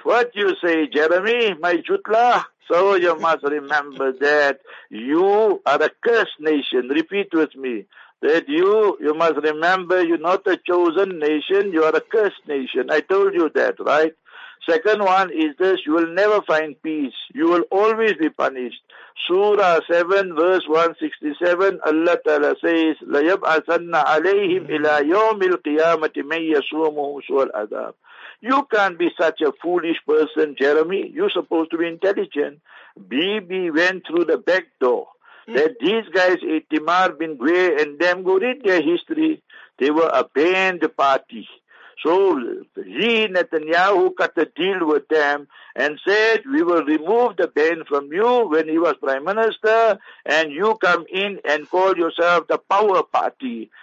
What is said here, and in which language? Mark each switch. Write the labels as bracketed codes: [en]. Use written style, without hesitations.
[en] What you say, Jeremy, my Jutla? So you must remember that you are a cursed nation. Repeat with me. That you must remember, you're not a chosen nation, you are a cursed nation. I told you that, right? Second one is this, you will never find peace. You will always be punished. Surah 7, verse 167, Allah Ta'ala says, [ar] لَيَبْعَثَنَّ عَلَيْهِمْ إِلَىٰ يَوْمِ الْقِيَامَةِ مَنْ يَسُومُهُمْ سُوَ الْعَذَابِ. [en] You can't be such a foolish person, Jeremy. You're supposed to be intelligent. BB went through the back door. That these guys, Itamar Bin Gvir and them, go read their history. They were a banned party. So he, Netanyahu, cut a deal with them and said, we will remove the ban from you when he was prime minister, and you come in and call yourself the power party.